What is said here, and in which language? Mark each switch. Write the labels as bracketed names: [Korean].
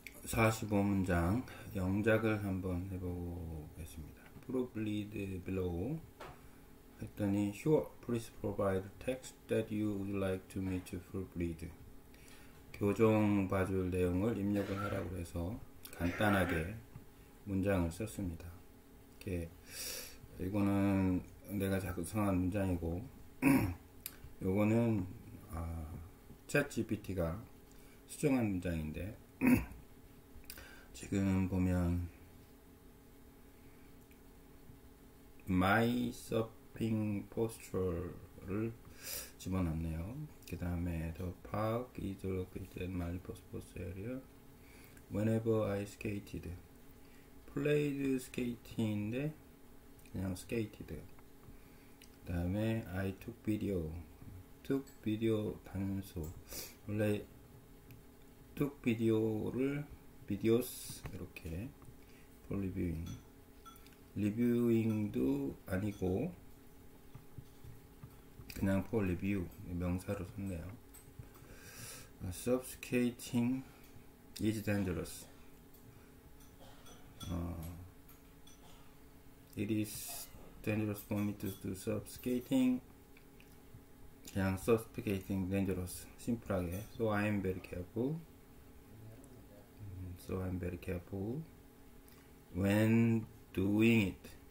[Korean] 45문장 영작을 한번 해보겠습니다. [English] Probably the below [Korean] 했더니 [English] Sure, please provide text that you would like to me to proofread. [Korean] 교정 봐줄 내용을 입력을 하라고 해서 간단하게 문장을 썼습니다. 이렇게 이거는 내가 작성한 문장이고 이거는 ChatGPT가 수정한 문장인데 지금 보면 my surfing posture를 집어넣네요. 그 다음에 [English] the park is located Mariposa area whenever I skated played skating인데 그냥 skated. 그 다음에 I took video took video 단수 원래 took video를 videos 이렇게 for reviewing reviewing도 아니고 그냥 for review [Korean] 명사로 썼네요. [English] Subskating is dangerous. It is dangerous for me to do subskating. [Korean] 그냥 subskating dangerous 심플하게. [English] So I am very careful. So I'm very careful when doing it.